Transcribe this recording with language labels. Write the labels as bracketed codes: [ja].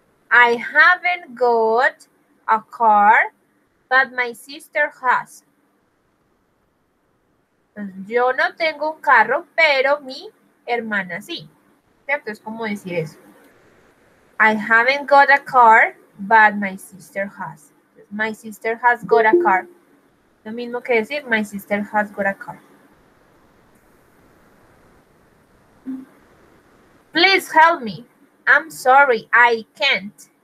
[en] I haven't got a car, but my sister has. [es] Yo no tengo un carro, pero mi hermana sí. ¿Cierto? Es como decir eso. [en] I haven't got a car, but my sister has. My sister has got a car. [es] Lo mismo que decir, [en] my sister has got a car. Please help me. I'm sorry, I can't.